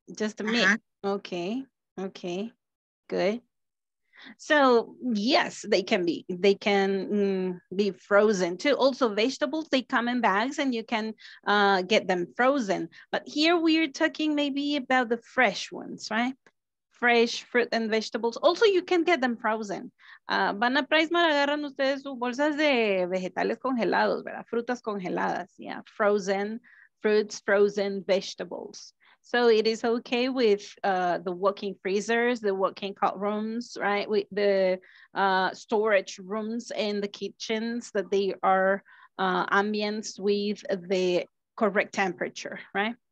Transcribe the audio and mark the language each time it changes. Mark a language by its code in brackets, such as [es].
[en] Just the meat. Uh-huh. Okay. Okay. Good. So, yes, they can be frozen too. Also, vegetables, they come in bags and you can get them frozen. But here we're talking maybe about the fresh ones, right? Fresh fruit and vegetables. Also, you can get them frozen. [es] Van a Pricemar, agarran ustedes sus bolsas de vegetales congelados, ¿verdad? Frutas congeladas, [en] yeah. Frozen fruits, frozen vegetables. So it is okay with the walk-in freezers, the walk-in cold rooms, right? With the storage rooms in the kitchens that they are ambienced with the correct temperature, right?